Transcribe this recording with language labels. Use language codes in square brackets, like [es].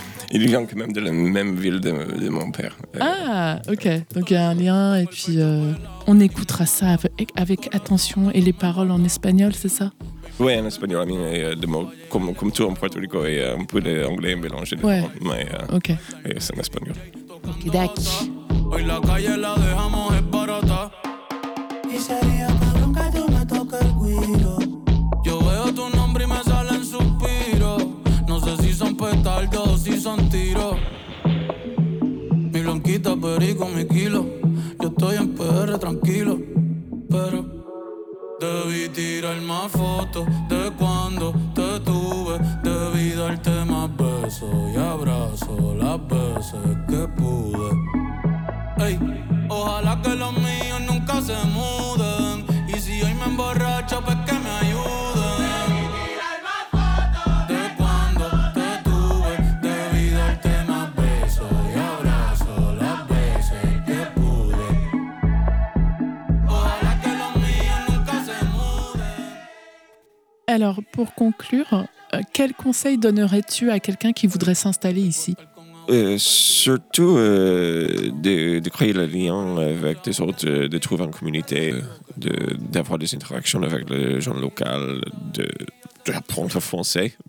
[fr] Il vient quand même de la même ville de mon père. Ah, ok. Donc il y a un lien et puis on écoutera ça avec attention et les paroles en espagnol, c'est ça? Oui, en espagnol, [en] I mean, [fr] et, de mots, comme tout en Puerto Rico, et un peu d'anglais mélangé. Ouais. Mais okay. Et c'est en espagnol. Ok, d'accord. [es] Hoy la calle la dejamos en barata. Y sería más bronca, yo me toco el cuido. Yo veo tu nombre y me salen suspiros. No sé si son petardos o si son tiros. Mi blanquita perico, mi kilo. Yo estoy en PR tranquilo. Pero debí tirar más fotos de cuando te tuve. Debí darte más besos y abrazos las veces que pude. Ey, ojalá que los míos nunca se muden. Y si hoy me emborracho, pues que me ayuden. Debí tirar más fotos de cuando te tuve. Debí darte más besos y abrazos las veces que pude. Ojalá que los míos nunca se muden. [fr] Alors, pour conclure, quel conseil donnerais-tu à quelqu'un qui voudrait s'installer ici? Surtout de créer le lien avec des autres, de trouver une communauté, d'avoir des interactions avec les gens locaux, d'apprendre le français.